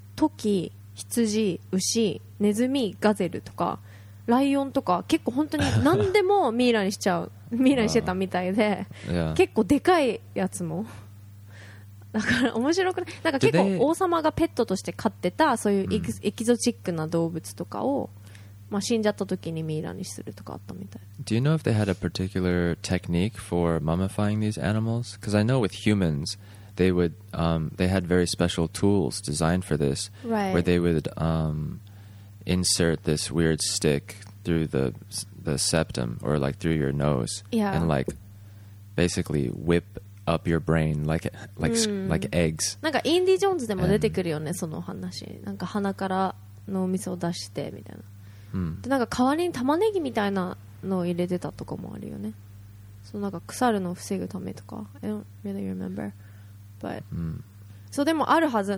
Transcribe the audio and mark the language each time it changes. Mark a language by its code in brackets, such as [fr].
[ja] トキ、羊、牛、ネズミ、ガゼルとかライオンとか結構本当に何でもミイラにしちゃうミイラにしてたみたいで、結構でかいやつもだから面白くない、なんか結構王様がペットとして飼ってたそういうエキゾチックな動物とかを、まあ、死んじゃった時にミイラにするとかあったみたい。 [en] Do you know if they had a particular technique for mummifying these animals? Because I know with humans they would they had very special tools designed for this, right? Where they would insert this weird stick through the septum or like through your nose, yeah, and like basically whip up your brain like like eggs. [ja] なんかインディジョーンズでも出てくるよね、その話。なんか鼻から脳みそを出してみたいな。でなんか代わりに玉ねぎみたいなのを入れてたとかもあるよね。そのなんか腐るのを防ぐためとか。 [en] I don't really remember. But [ja] そうでもあるはず。